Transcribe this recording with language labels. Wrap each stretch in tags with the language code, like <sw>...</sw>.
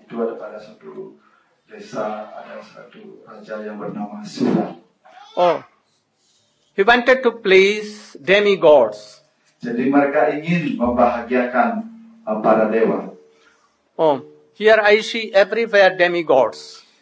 <id>Itu ada pada satu desa, ada satu raja yang bernama Surata.</id> <en>Oh, he wanted to please demigods.</en> <id>Jadi mereka ingin membahagiakan para dewa.</id> <en>Oh, here I see everywhere demigods.</en>